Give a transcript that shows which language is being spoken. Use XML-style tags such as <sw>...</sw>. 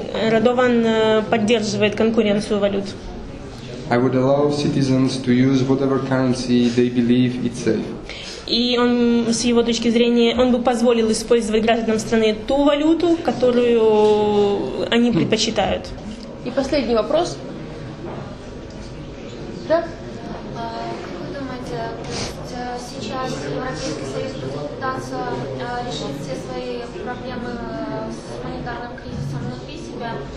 <ru>Радован поддерживает конкуренцию валют.</ru> <en>I would allow citizens to use whatever currency they believe it's safe.</en> <ru>И он, с его точки зрения, он бы позволил использовать гражданам страны ту валюту, которую они предпочитают. И последний вопрос. Да? Как вы думаете, сейчас Европейский Союз будет пытаться решить все свои проблемы с монетарным кризисом внутри себя?</ru>